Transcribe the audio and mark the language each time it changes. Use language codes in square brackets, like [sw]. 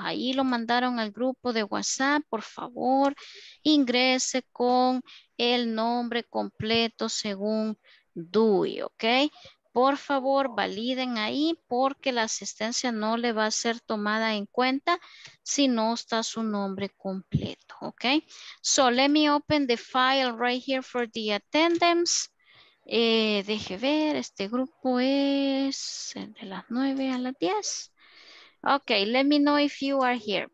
[es] Ahí lo mandaron al grupo de WhatsApp. Por favor, ingrese con el nombre completo según DUI, ¿ok? Por favor, validen ahí porque la asistencia no le va a ser tomada en cuenta si no está su nombre completo, ¿ok? [en] So, let me open the file right here for the attendance. [es] Deje ver, este grupo es de las 9 a las 10. [en] Ok, let me know if you are here.